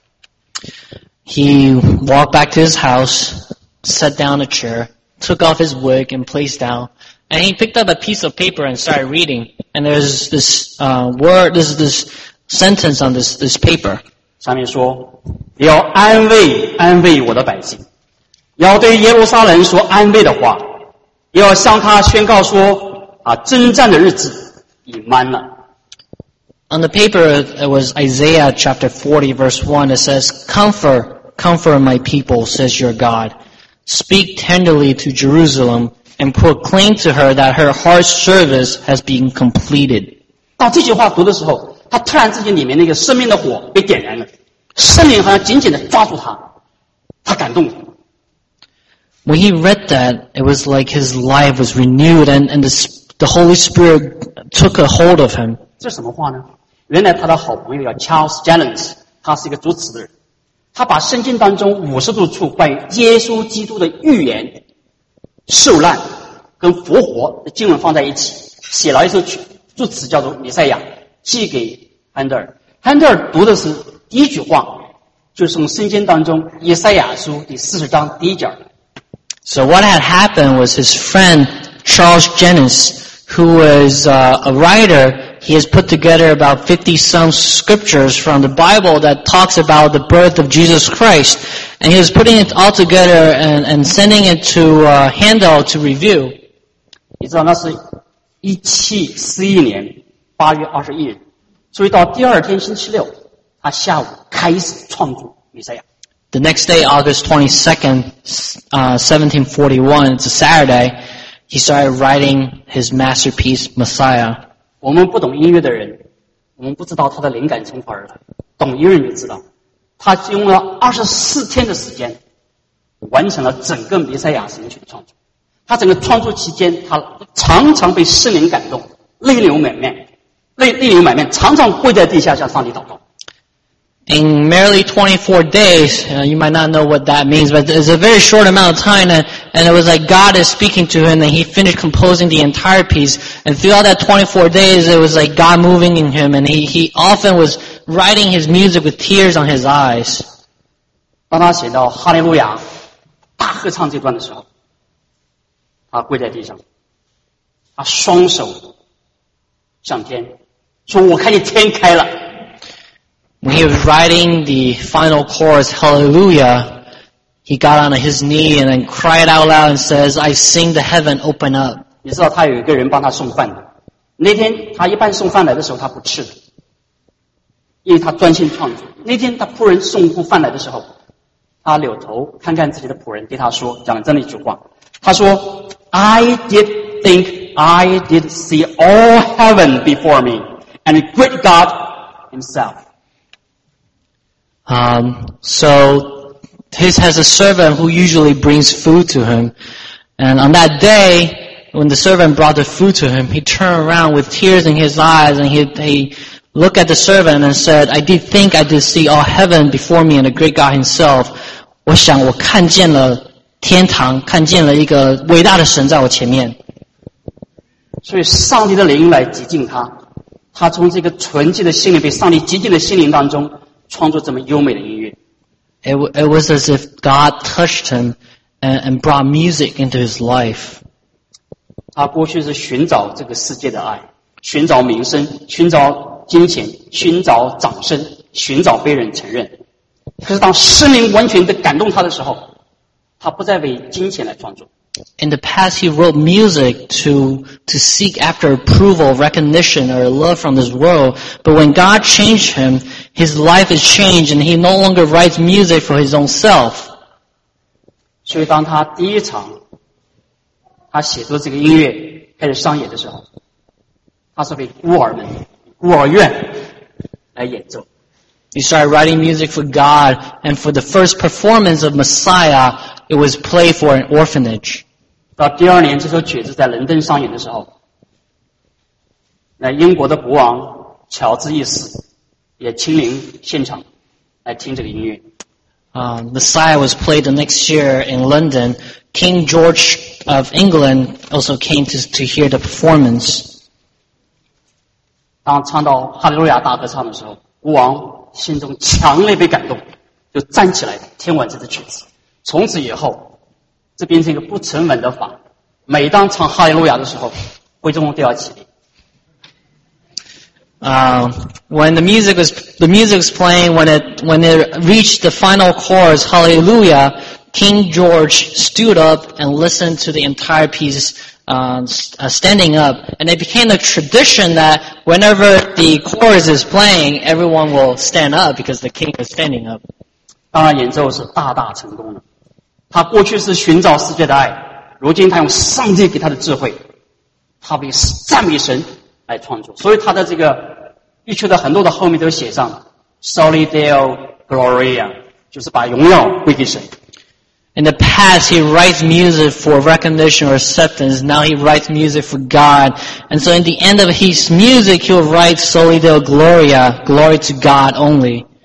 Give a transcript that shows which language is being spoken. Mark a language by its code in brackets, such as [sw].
[zh] 过去那些时候的人带着假发，放在这个桌子上，随手拿在桌子上一叠纸，看一看，上面居然有这样的一句话。 [en] He walked back to his house, sat down a chair, took off his wig and placed down, and he picked up a piece of paper and started reading. And there's this word, this sentence on this paper. [zh] 上面说，要安慰安慰我的百姓，要对耶路撒冷说安慰的话。要向他宣告说啊，征战的日子已满了。 [en] On the paper, it was Isaiah chapter 40, verse 1. It says, "Comfort, comfort my people," says your God. "Speak tenderly to Jerusalem and proclaim to her that her hard service has been completed." [zh] 到这句话读的时候，他突然之间里面那个生命的火被点燃了，圣灵好像紧紧的抓住他，他感动了。 [en] When he read that, it was like his life was renewed and the Holy Spirit took a hold of him. [zh] 这什么话呢？原来他的好朋友叫 Charles Jennings, 他是一个主持的人。他把圣经当中50多处关于耶稣基督的预言、受难跟复活的经文放在一起，写了一首祝词叫做《弥赛亚》，寄给亨德尔。亨德尔读的是第一句话，就是从圣经当中《弥赛亚书》第40章第一节。 [en] So what had happened was his friend Charles Jennings, who was a writer, he has put together about 50-some scriptures from the Bible that talks about the birth of Jesus Christ, and he was putting it all together and sending it to Handel to review. [zh] 你知道那是1741年8月21日，所以到第二天星期六，他下午开始创作《弥赛亚》。 [en] The next day, August 22nd, 1741, it's a Saturday, he started writing his masterpiece, Messiah. [zh] 我们不懂音乐的人，我们不知道他的灵感从何而来。懂音乐就知道，他用了24天的时间，完成了整个弥赛亚神曲的创作。他整个创作期间，他常常被圣灵感动，泪流满面，泪流满面，常常跪在地下向上帝祷告。 [en] In merely 24 days, you might not know what that means, but it's a very short amount of time, and it was like God is speaking to him, and he finished composing the entire piece. And throughout that 24 days, it was like God moving in him, and he often was writing his music with tears on his eyes. [zh] 当他写到哈利路亚，大合唱这段的时候，他跪在地上，他双手向天，说我看见天开了。 [en] When he was writing the final chorus, Hallelujah, he got on his knee and then cried out loud and says, I sing the heaven open up. [zh] 你知道他有一个人帮他送饭的。那天他一般送饭来的时候他不吃的。因为他专心创作。那天他仆人送过饭来的时候，他扭头看看自己的仆人，对他说，讲了这么一句话。他说， [en] I did think I did see all heaven before me and great God himself. So his has a servant who usually brings food to him, and on that day when the servant brought the food to him, he turned around with tears in his eyes and he looked at the servant and said, I did think I did see all heaven before me and the great God himself. [zh] 我想我看见了天堂，看见了一个伟大的神在我前面。所以上帝的灵来洁净他，他从这个纯净的心灵，被上帝洁净的心灵当中创作这么优美的音乐。 [en] It was as if God touched him and brought music into his life. [zh] 他过去是寻找这个世界的爱，寻找名声，寻找金钱，寻找掌声，寻找被人承认。可是当圣灵完全的感动他的时候，他不再为金钱来创作。 [en] In the past, he wrote music to seek after approval, recognition, or love from this world. But when God changed him, his life is changed, and he no longer writes music for his own self. [zh] 所以当他第一场他写作这个音乐开始上演的时候，他是为孤儿们、孤儿院来演奏。 [en] He started writing music for God, and for the first performance of Messiah, it was played for an orphanage. [zh] 到第二年，这首曲子在伦敦上演的时候，那英国的国王乔治一世也亲临现场来听这个音乐。 [en] Messiah was played the next year in London. King George of England also came to hear the performance. [zh] 当唱到哈利路亚大合唱的时候，国王心中强烈被感动，就站起来听完这支曲子。从此以后，这变成一个不成文的法，每当唱哈利路亚的时候，会众都要起立。 [en] When the music was playing, when it reached the final chorus, Hallelujah, King George stood up and listened to the entire piece standing up. And it became a tradition that whenever the chorus is playing, everyone will stand up because the king is standing up. [zh] 当然演奏是大大成功的。他过去是寻找世界的爱，如今他用上帝给他的智慧，他被赞美神来创作。所以他在这个乐曲的很多的后面都写上 [la] Soli Deo Gloria， [zh] 就是把荣耀归给神。 [en] In the past, he writes music for recognition or acceptance. Now he writes music for God. And so in the end of his music, he'll write [la] Soli Deo Gloria, [en] glory to God only.